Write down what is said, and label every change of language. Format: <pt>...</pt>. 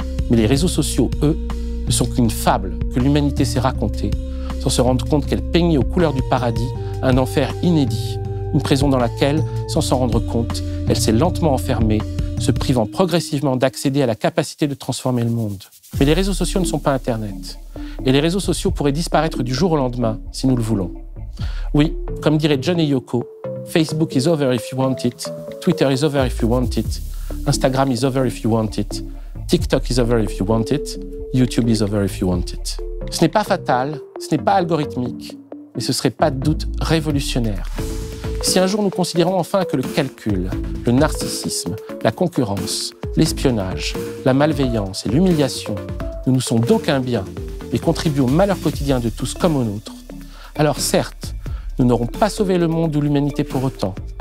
<fr>Mais les réseaux sociaux, eux, ne sont qu'une fable que l'humanité s'est racontée, sans se rendre compte qu'elle peignait aux couleurs du paradis un enfer inédit, une prison dans laquelle, sans s'en rendre compte, elle s'est lentement enfermée, se privant progressivement d'accéder à la capacité de transformer le monde. Mais les réseaux sociaux ne sont pas Internet. Et les réseaux sociaux pourraient disparaître du jour au lendemain, si nous le voulons. Oui, comme dirait John et Yoko,</fr> <en>Facebook is over if you want it, Twitter is over if you want it, Instagram is over if you want it, TikTok is over if you want it, YouTube is over if you want it.</en> <fr>Ce n'est pas fatal, ce n'est pas algorithmique, mais ce serait pas de doute révolutionnaire. Si un jour nous considérons enfin que le calcul, le narcissisme, la concurrence, l'espionnage, la malveillance et l'humiliation ne nous sont d'aucun bien et contribuent au malheur quotidien de tous comme au nôtre, alors certes, nous n'aurons pas sauvé le monde ou l'humanité pour autant.</fr>